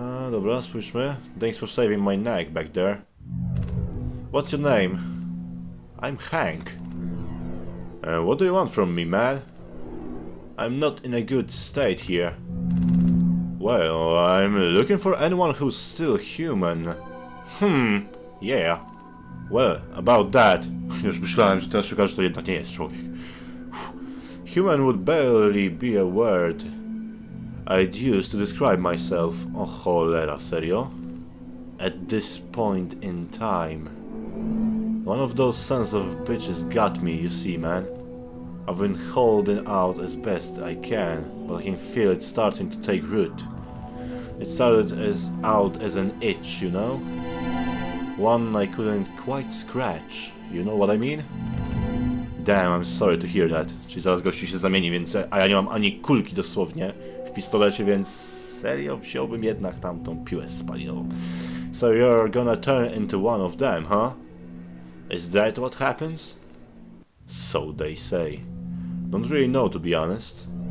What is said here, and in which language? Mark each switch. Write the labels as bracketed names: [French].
[Polish] Dobra, spójrzmy. [English] Thanks for saving my neck back there. What's your name? I'm Hank. What do you want from me, man? I'm not in a good state here. Well, I'm looking for anyone who's still human. Yeah. Well, about that. [Polish] Już myślałem, że teraz szukasz, że to jednak nie jest człowiek. [English] Human would barely be a word I'd use to describe myself. [Polish] O cholera, serio? [English] At this point in time. One of those sons of bitches got me, you see, man. I've been holding out as best I can, but I can feel it starting to take root. It started as out as an itch, you know? One I couldn't quite scratch, you know what I mean? Damn, I'm sorry to hear that. [Polish] Czyli zaraz gościu się zamieni, więc... A ja nie mam ani kulki dosłownie w pistolecie, więc... serio, wziąłbym jednak tamtą piłę spalinową. [English] So you're gonna turn into one of them, huh? Is that what happens? So they say. Don't really know, to be honest.